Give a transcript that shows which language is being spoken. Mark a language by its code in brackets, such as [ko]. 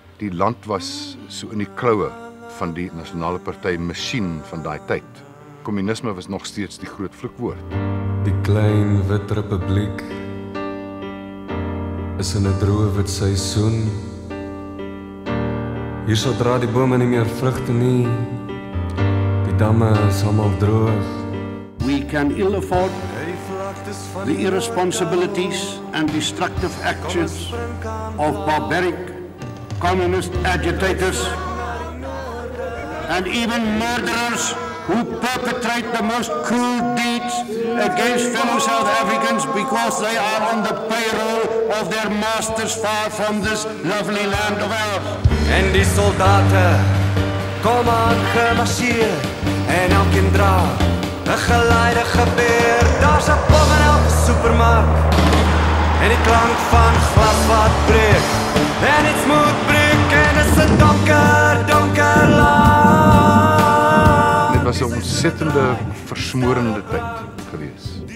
[af] Die land was so in die kloue van die nasionale party masjien van daai tyd. Kommunisme was nog steeds die groot vloekwoord. Die klein wit republiek is in 'n droë wit seisoen. Hier sal dra die bome nie meer vrugte nie. Die damme is almal droog. [en] We can ill afford the irresponsibilities and destructive actions of barbaric communist agitators and even murderers who perpetrate the most cruel deeds against fellow South Africans because they are on the payroll of their masters far from this lovely land of ours. [af] En die soldaten kom aan gemarsier en elk in dra een geleide geweer. Daar's 'n bom in elke supermark en die klank van glas wat breek en iets moet breek en is 'n donker, donker land. Dit was 'n ontzettende, versmoorende tyd gewees.